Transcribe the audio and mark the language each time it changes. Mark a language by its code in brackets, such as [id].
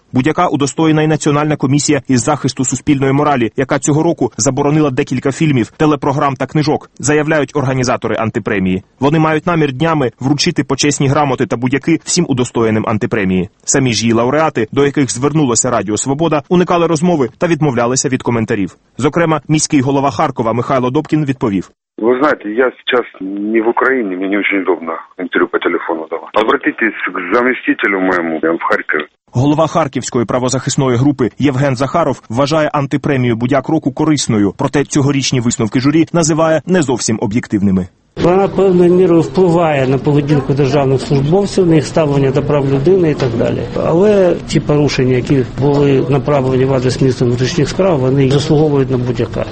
[uk] «Будяка» удостоєна й Національна комісія із захисту суспільної моралі, яка цього року заборонила декілька фільмів, телепрограм та книжок, заявляють організатори антипремії. Вони мають намір днями вручити почесні грамоти та будяки всім удостоєним антипремії. Самі ж її лауреати, до яких звернулося Радіо Свобода, уникали розмови та відмовлялися від коментарів. Зокрема, міський голова Харкова Михайло Добкін відповів. [ru] Вы знаете, я сейчас не в Украине, мне не очень удобно интервью по телефону давать. Обратитесь к заместителю моему в Харькове. [uk] Голова Харківської правозахисної групи Євген Захаров вважає антипремію «Будяк року» корисною, проте цьогорічні висновки журі називає не зовсім об'єктивними. Вона певною мірою впливає на поведінку державних службовців, на їх ставлення до прав людини і так далі. Але ті порушення, які були направлені в адрес міністра внутрішніх справ, вони заслуговують на будь-яка.